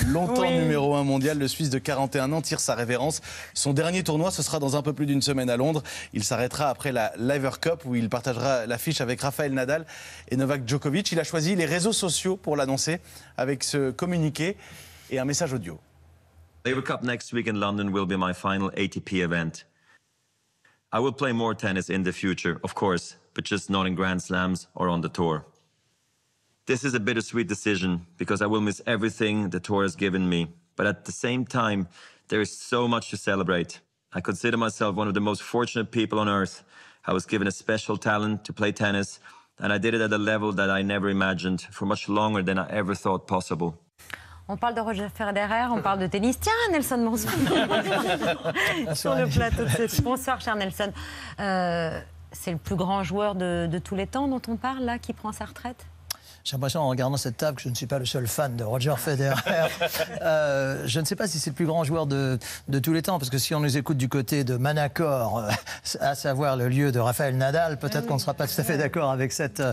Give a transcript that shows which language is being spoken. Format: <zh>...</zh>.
<fr>Longtemps numéro 1 mondial, le Suisse de 41 ans tire sa révérence. Son dernier tournoi, ce sera dans un peu plus d'une semaine à Londres. Il s'arrêtera après la Laver Cup, où il partagera l'affiche avec Rafael Nadal et Novak Djokovic. Il a choisi les réseaux sociaux pour l'annoncer avec ce communiqué et un message audio.</fr> <en>Laver Cup next week in London will be my final ATP event. I will play more tennis in the future, of course, but just not in Grand Slams or on the tour. This is a bittersweet decision because I will miss everything the tour has given me, but at the same time, there is so much to celebrate. I consider myself one of the most fortunate people on earth. I was given a special talent to play tennis, and I did it at a level that I never imagined for much longer than I ever thought possible.</en> <fr>On parle de Roger Federer, on parle de tennis. Tiens, Nelson Monson, sur le plateau de cette... Bonsoir, cher Nelson. C'est le plus grand joueur de tous les temps dont on parle, là, qui prend sa retraite. J'ai l'impression, en regardant cette table, que je ne suis pas le seul fan de Roger Federer. Je ne sais pas si c'est le plus grand joueur de tous les temps, parce que si on nous écoute du côté de Manacor, à savoir le lieu de Rafael Nadal, peut-être qu'on ne sera pas tout à fait d'accord avec cette...</fr>